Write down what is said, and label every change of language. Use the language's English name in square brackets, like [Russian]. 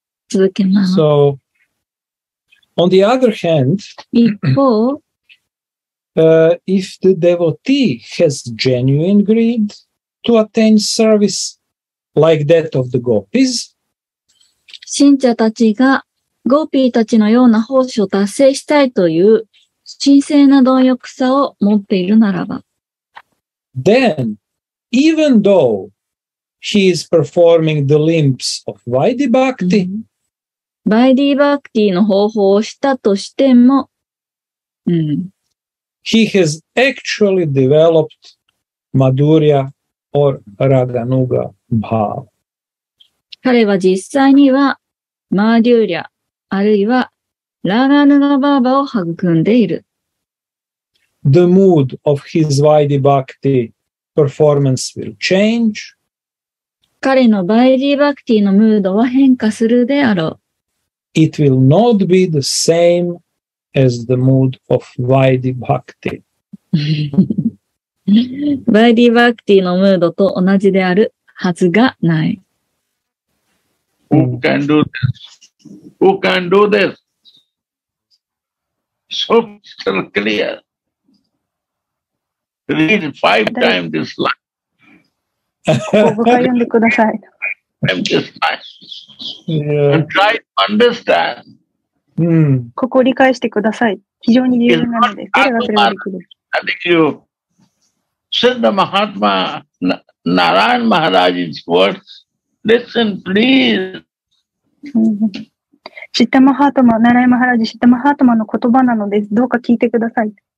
[English] So, on the other hand, if the devotee has genuine greed to attain service like that of the gopis, [Japanese] 信者たちがゴーピーたちのような奉仕を達成したいという神聖な貪欲さを持っているならば。 [English] Then, even though he is performing the limbs of Vaidhi Bhakti, [Japanese] Vaidhi Bhakti の方法をしたとしても、 [English] he has actually developed Madhurya or Raganuga Bhav. [Japanese] 彼は実際には、マーデューリャ、あるいは、ラガヌガバーバを育んでいる。 [English] The mood of his Vaidhi Bhakti performance will change. [Japanese] 彼のバイディバクティのムードは変化するであろう。 [English] It will not be the same as the mood of Vaidhi Bhakti. [Japanese] バイディバクティのムードと同じであるはずがない。 [English] Who can do this? Who can do this? So clear. Read five times this line. I'm just fine. And try to understand. [Japanese] ここ理解してください。非常に重要なので、彼がそれをできる。 [English] I think you said the Mahatma Narayan Maharaj's words. Listen, please. [Japanese] シッタマハートマ、ナライマハラジ、シッタマハートマの言葉なので、どうか聞いてください。